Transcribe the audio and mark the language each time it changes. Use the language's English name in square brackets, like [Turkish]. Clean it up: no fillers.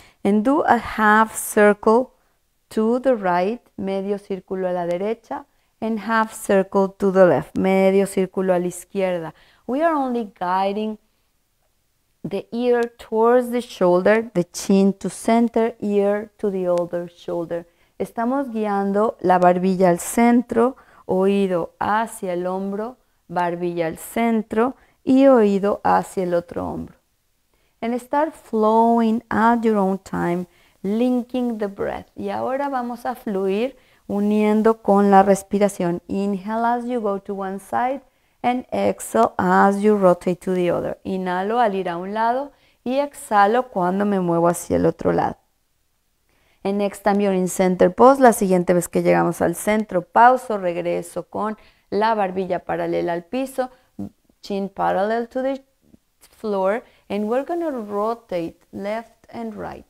[English] And do a half circle to the right. [Spanish] Medio círculo a la derecha. [English] And half circle to the left. [Spanish] Medio círculo a la izquierda. [English] We are only guiding the ear towards the shoulder, the chin to center, ear to the other shoulder. [Spanish] Estamos guiando la barbilla al centro, oído hacia el hombro, barbilla al centro y oído hacia el otro hombro. [English] And start flowing at your own time, linking the breath. [Spanish] Y ahora vamos a fluir uniendo con la respiración. [English] Inhale as you go to one side. And exhale as you rotate to the other. [Spanish] Inhalo al ir a un lado y exhalo cuando me muevo hacia el otro lado. [English] And next time you're in center pose, [Spanish] la siguiente vez que llegamos al centro, pauso, regreso con la barbilla paralela al piso, [English] chin parallel to the floor, and we're going to rotate left and right.